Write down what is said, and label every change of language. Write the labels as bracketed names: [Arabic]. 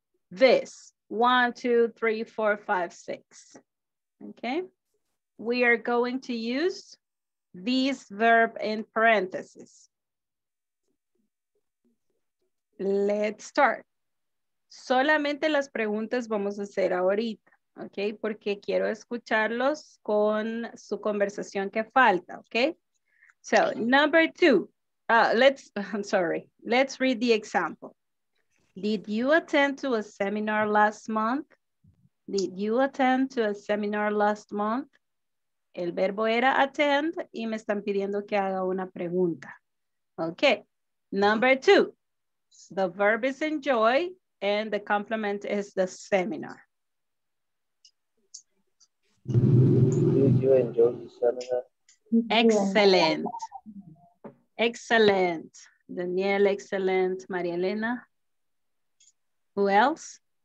[English] This 1, 2, 3, 4, 5, 6. Okay, we are going to use these verb in parentheses. Let's start. [Spanish] Solamente las preguntas vamos a hacer ahorita, okay? Porque quiero escucharlos con su conversación que falta, okay? [English] So, number two, let's read the example. Did you attend to a seminar last month? Did you attend to a seminar last month? [Spanish] El verbo era [English] attend [Spanish] y me están pidiendo que haga una pregunta. [English] Okay, number two. The verb is enjoy and the complement is the seminar. Did you enjoy the seminar? Excellent. Excellent. Daniel, excellent. Maria Elena. Who else?